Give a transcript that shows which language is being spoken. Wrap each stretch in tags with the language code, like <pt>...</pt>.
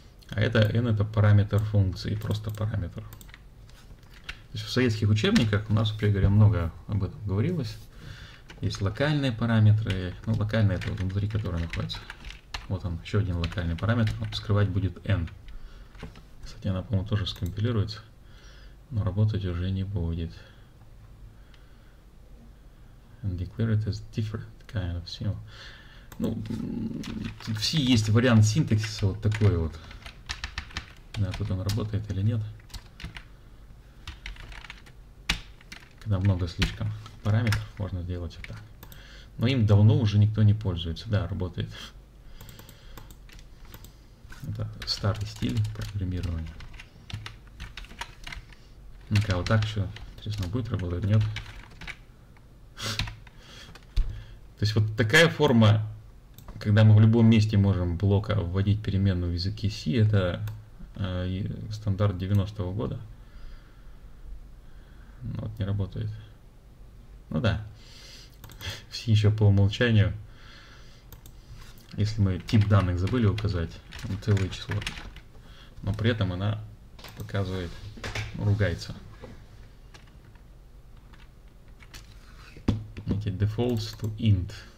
<ru>А это n — это параметр функции, просто параметр. То есть в советских учебниках у нас, вообще говоря, много об этом говорилось. Есть локальные параметры. Ну, локальный — это вот внутри которого находится. Вот он, еще один локальный параметр. Скрывать будет n. Кстати, она, по-моему, тоже скомпилируется. Но работать уже не будет.</ru> <en>Undeclared is different kind of symbol.</en> <ru>Ну, тут все есть вариант синтаксиса вот такой вот. Да, тут он работает или нет. Когда много слишком параметров, можно сделать и так. Но им давно уже никто не пользуется. Да, работает. Это старый стиль программирования. Ну-ка, вот так еще. Интересно, будет работать, нет? То есть вот такая форма, когда мы в любом месте можем блока вводить переменную в языке C, это стандарт 90-го года. Но вот не работает. Ну да. Все еще по умолчанию. Если мы тип данных забыли указать, целое число. Но при этом она показывает, ругается. Эти</ru> <en>defaults to int.</en>